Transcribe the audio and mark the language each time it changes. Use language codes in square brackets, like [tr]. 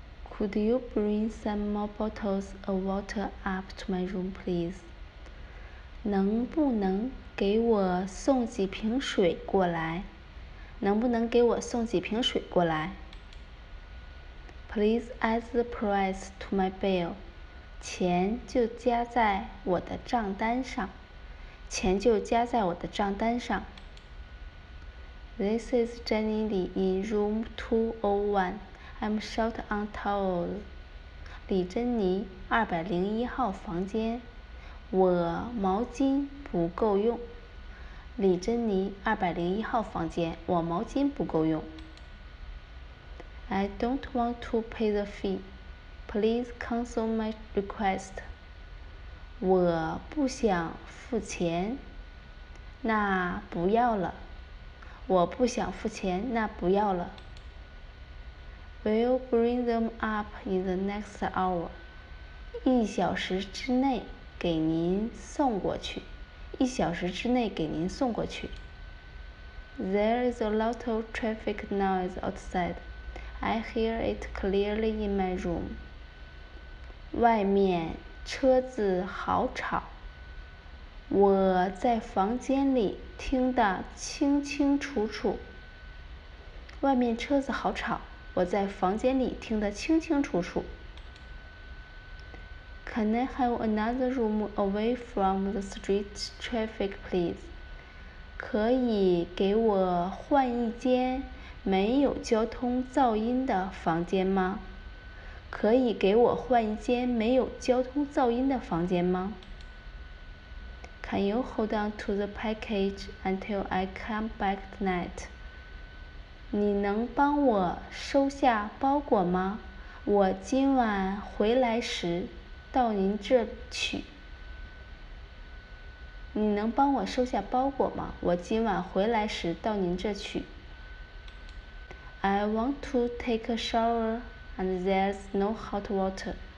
[en] Could you bring some more bottles of water up to my room, please? [zh] 能不能给我送几瓶水过来？能不能给我送几瓶水过来？ [en] Please add the price to my bill. [zh] 钱就加在我的账单上。钱就加在我的账单上。 [en] This is Jenny Lee in room 201. I'm short on towels. [zh] 李珍妮201号房间。我毛巾不够用。李珍妮201号房间。我毛巾不够用。 [en] I don't want to pay the fee. Please cancel my request. [zh] 我不想付钱，那不要了。我不想付钱，那不要了。 [en] We'll bring them up in the next hour. [zh] 一小时之内给您送过去。一小时之内给您送过去。 [en] There is a lot of traffic noise outside. I hear it clearly in my room. [zh] 外面车子好吵，我在房间里听得清清楚楚。外面车子好吵，我在房间里听得清清楚楚。 [en] Can I have another room away from the street traffic, please? [zh] 可以给我换一间没有交通噪音的房间吗？可以给我换一间没有交通噪音的房间吗？ [en] Can you hold on to the package until I come back tonight? [zh] 你能帮我收下包裹吗？我今晚回来时到您这取。你能帮我收下包裹吗？我今晚回来时到您这取。 [en] I want to take a showerAnd there's no hot water.